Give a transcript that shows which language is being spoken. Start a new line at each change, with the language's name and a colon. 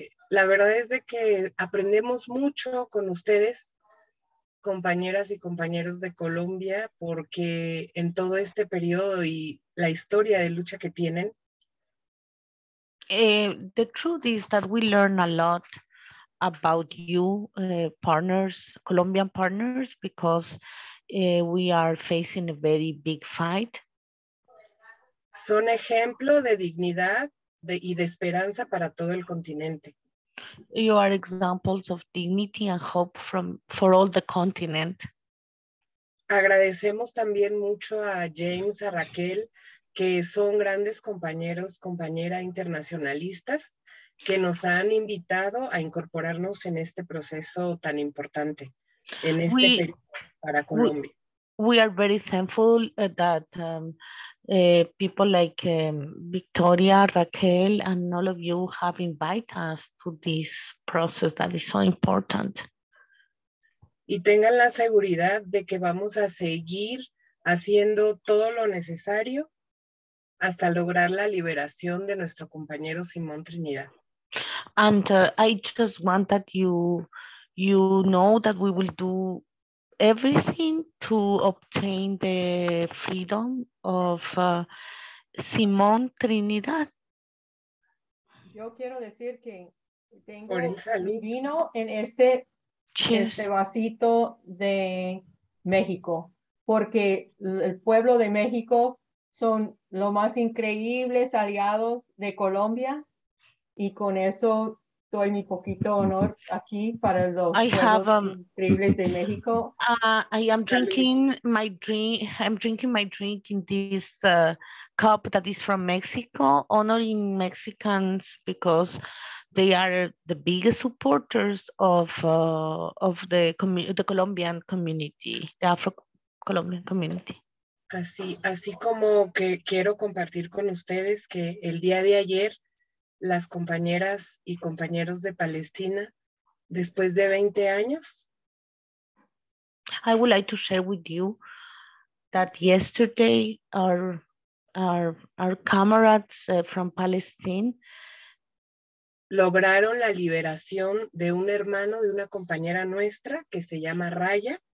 Spanish: La verdad es de que aprendemos mucho con ustedes, compañeras y compañeros de Colombia, porque en todo este periodo y la historia de lucha que tienen.
English: The truth is that we learn a lot about you, partners, Colombian partners, because we are facing a very big fight.
Spanish: Son ejemplo de dignidad y de esperanza para todo el continente.
English: You are examples of dignity and hope for all the continent.
Spanish: Agradecemos también mucho a James, a Raquel, que son grandes compañeros, compañera internacionalistas, que nos han invitado a incorporarnos en este proceso tan importante, en este periodo para Colombia.
English: We are very thankful that people like Victoria, Raquel, and all of you have invited us to this process that is so important.
Spanish: Y tengan la seguridad de que vamos a seguir haciendo todo lo necesario hasta lograr la liberación de nuestro compañero Simón Trinidad.
English: And I just want that you know that we will do everything to obtain the freedom of Simón Trinidad.
Spanish: Yo quiero decir que tengo vino en este, este vasito de México, porque el pueblo de México son los más increíbles aliados de Colombia, y con eso doy mi poquito honor aquí para los increíbles de México.
English: I'm drinking my drink in this cup that is from Mexico, honoring Mexicans because they are the biggest supporters of the Colombian community, the Afro-Colombian community.
Spanish: Así como que quiero compartir con ustedes que el día de ayer las compañeras y compañeros de Palestina, después de 20 años.
English: I would like to share with you that yesterday our comrades from Palestine
Spanish: lograron la liberación de un hermano de una compañera nuestra que se llama Raya.